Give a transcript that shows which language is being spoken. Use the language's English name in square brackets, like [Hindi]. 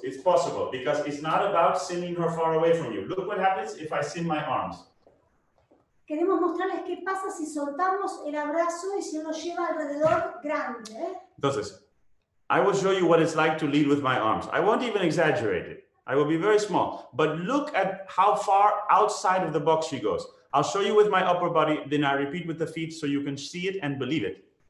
[English] It's possible because it's not about sending her far away from you. Look what happens if I send my arms. [Spanish] Queremos mostrarles qué pasa si soltamos el abrazo y se lo lleva alrededor grande. [English] Entonces, I will show you what it's like to lead with my arms. I won't even exaggerate it. I will be very small. But look at how far outside of the box she goes. I'll show you with my upper body, then I repeat with the feet so you can see it and believe it.